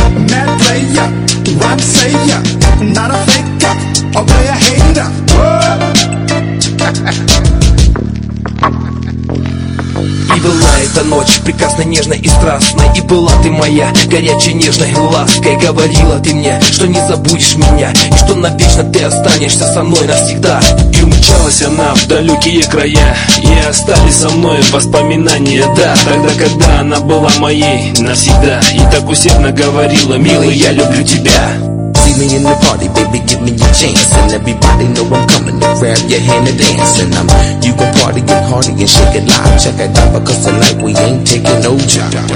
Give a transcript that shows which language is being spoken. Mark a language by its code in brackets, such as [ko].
[en] Mad player, rhyme slayer, not a faker, or player hater. [ru] И была эта ночь прекрасной, нежной и страстной. И была ты моя горячей, нежной лаской. Говорила ты мне, что не забудешь меня, и что навечно ты останешься со мной навсегда. И умчалась она в далекие края, и остались со мной воспоминания. Да, тогда, когда она была моей навсегда, и так усердно говорила: милый, я люблю тебя. [en] See me in the party, baby, give me a chance. And everybody know I'm coming to grab your hand and dance. And I'm, you gon' party, get hardy and shake it live. Check it out, because tonight we ain't taking no job.